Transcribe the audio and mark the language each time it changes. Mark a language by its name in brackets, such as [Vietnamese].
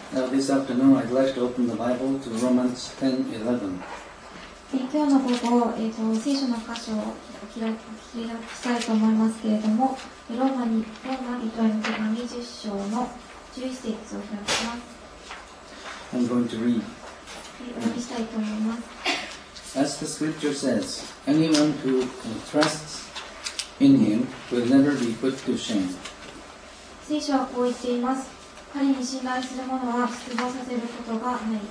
[English] This afternoon, I'd like to open the Bible to Romans 10:11. [Japanese] 今日の午後、聖書の箇所を開きたいと思いますけれども、ローマ人への手紙10章の11節を開きます。 [English] I'm going to read. [Japanese] 読みしたいと思います。 [English] As the scripture says, anyone who trusts in him will never be put to shame. [Japanese] 聖書はこう言っています。彼に信頼する者は失望させることがない。